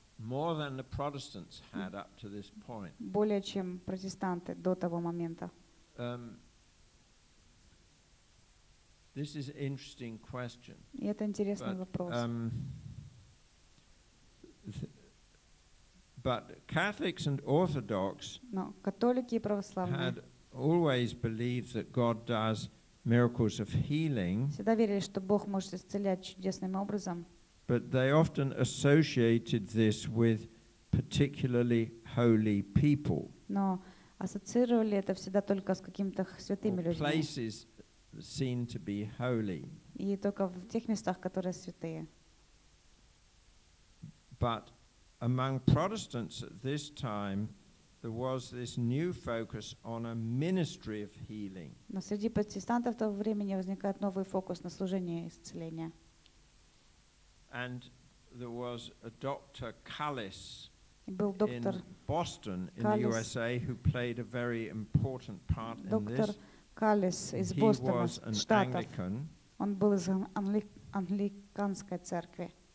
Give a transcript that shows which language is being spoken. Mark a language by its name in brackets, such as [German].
[English] More than the Protestants had up to this point. [Russian] Более чем протестанты до того момента. [English] This is an interesting question. [Russian] Это интересный вопрос. [English] But Catholics and Orthodox had always believed that God does miracles of healing. [Russian] Всегда верили, что Бог может исцелять чудесным образом. [English] But they often associated this with particularly holy people. [Russian] Но ассоциировали это всегда только с какими-то святыми людьми. [English] Places seen to be holy. [Russian] И только в тех местах, которые святые. [English] But among Protestants at this time, there was this new focus on a ministry of healing. [Russian] Но среди протестантов в то время возникает новый фокус на служение исцеления. [English] And there was a Dr. Callis. [Russian] Был доктор [English] Boston in the USA who played a very important part in this. [Russian] Калис из Бостона, Штатов. Он был из англиканской церкви.